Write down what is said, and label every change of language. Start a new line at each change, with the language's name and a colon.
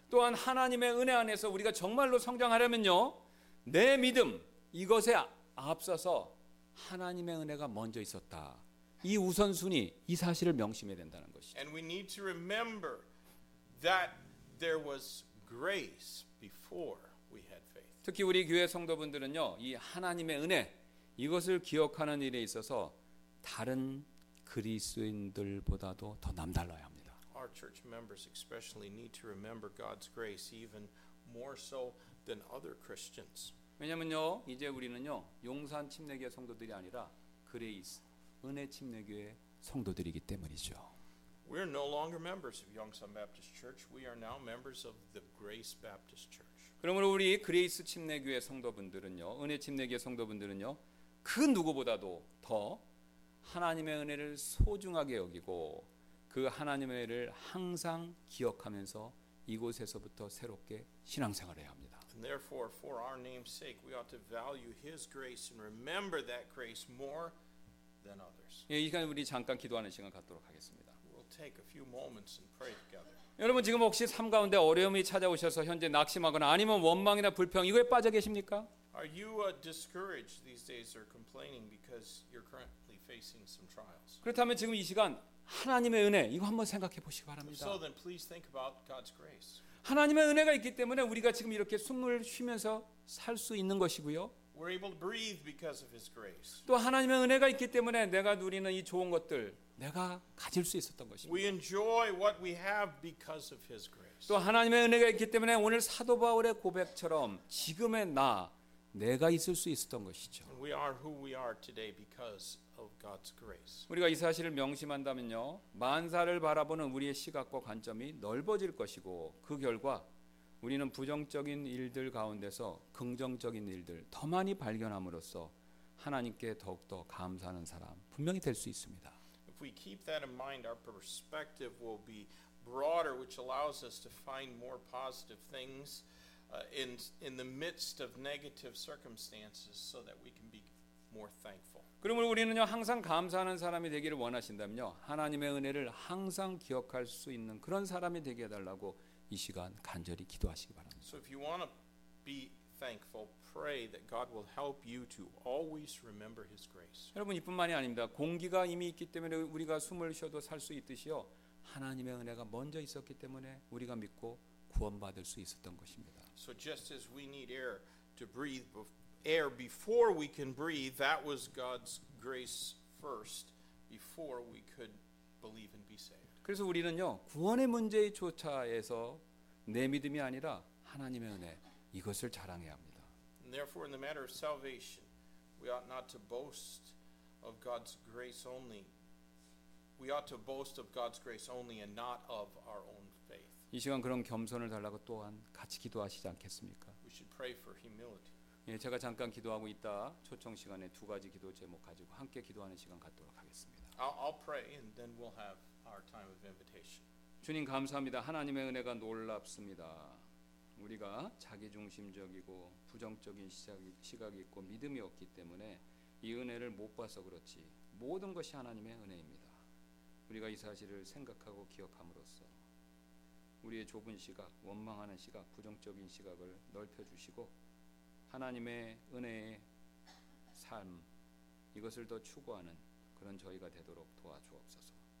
Korean: 또한 하나님의 은혜 안에서 우리가 정말로 성장하려면요. 내 믿음 이것에 앞서서 하나님의 은혜가 먼저 있었다. 이 우선순위 이 사실을 명심해야 된다는 것이죠.
English: And we need to remember that there was grace before we had faith.
Korean: 특히 우리 교회 성도분들은요. 이 하나님의 은혜 이것을 기억하는 일에 있어서 다른 그리스도인들보다도 더 남달라야 합니다.
English: Our church members especially need to remember God's grace even more so than other Christians.
Korean: 왜냐면요. 이제 우리는요. 용산 침례교회 성도들이 아니라 그레이스 은혜 침례교회 성도들이기 때문이죠.
English: We are no longer members of Yongsan Baptist Church. We are now members of the Grace Baptist Church.
Korean: 그러므로 우리 그레이스 침례교회 성도분들은요. 은혜 침례교회 성도분들은요. 그 누구보다도 더 하나님의 은혜를 소중하게 여기고 그 하나님의 은혜를 항상 기억하면서 이곳에서부터 새롭게 신앙생활해야 합니다.
English: And therefore, for our name's sake, we ought to value His grace and remember that grace more than others.
Korean: 예, 이 시간 우리 잠깐 기도하는 시간 갖도록 하겠습니다.
English: We'll take a few moments and pray together.
Korean: 여러분 지금 혹시 삶 가운데 어려움이 찾아오셔서 현재 낙심하거나 아니면 원망이나 불평 이거에 빠져 계십니까?
English: Are you discouraged these days or complaining because you're currently facing some trials?
Korean: 그렇다면 지금 이 시간 하나님의 은혜 이거 한번 생각해 보시기 바랍니다.
English: So then please think about God's grace.
Korean: 하나님의 은혜가 있기 때문에 우리가 지금 이렇게 숨을 쉬면서 살 수 있는 것이고요.
English: We're able to breathe because of his grace.
Korean: 또 하나님의 은혜가 있기 때문에 내가 누리는 이 좋은 것들 내가 가질 수 있었던 것입니다.
English: We enjoy what we have because of his grace.
Korean: 또 하나님의 은혜가 있기 때문에 오늘 사도 바울의 고백처럼 지금의 나 내가 있을 수 있었던 것이죠.
English: We are who we are today because of God's grace.
Korean: 우리가 이 사실을 명심한다면요. 만사를 바라보는 우리의 시각과 관점이 넓어질 것이고 그 결과 우리는 부정적인 일들 가운데서 긍정적인 일들 더 많이 발견함으로써 하나님께 더욱더 감사하는 사람 분명히 될 수 있습니다.
English: If we keep that in mind, our perspective will be broader, which allows us to find more positive things in the midst of negative circumstances so that we can be more thankful.
Korean: 그러므로 우리는요 항상 감사하는 사람이 되기를 원하신다면요 하나님의 은혜를 항상 기억할 수 있는 그런 사람이 되게 해달라고 이 시간 간절히 기도하시기 바랍니다.
English: So if you want to be thankful, pray that God will help you to always remember His grace.
Korean: 여러분 이뿐만이 아닙니다. 공기가 이미 있기 때문에 우리가 숨을 쉬어도 살 수 있듯이요, 하나님의 은혜가 먼저 있었기 때문에 우리가 믿고 구원받을 수 있었던 것입니다.
English: So just as we need air to breathe, air before we can breathe, that was God's grace first before we could believe and be saved.
Korean: 그래서 우리는요, 구원의 문제에 조차에서 내 믿음이 아니라 하나님의 은혜 이것을 자랑해야 합니다.
English: And therefore, in the matter of salvation, we ought not to boast of God's grace only. We ought to boast of God's grace only and not of our own faith.
Korean: 이 시간 그런 겸손을 달라고 또한 같이 기도하시지 않겠습니까?
English: We should pray for humility.
Korean: 예, 제가 잠깐 기도하고 있다 초청 시간에 두 가지 기도 제목 가지고 함께 기도하는 시간 갖도록 하겠습니다.
English: I'll pray and then we'll have our time of invitation.
Korean: 주님 감사합니다. 하나님의 은혜가 놀랍습니다. 우리가 자기중심적이고 부정적인 시각이 있고 믿음이 없기 때문에 이 은혜를 못 봐서 그렇지 모든 것이 하나님의 은혜입니다. 우리가 이 사실을 생각하고 기억함으로써 우리의 좁은 시각, 원망하는 시각, 부정적인 시각을 넓혀주시고 하나님의 은혜의 삶, 이것을 더 추구하는 그런 저희가 되도록 도와주옵소서.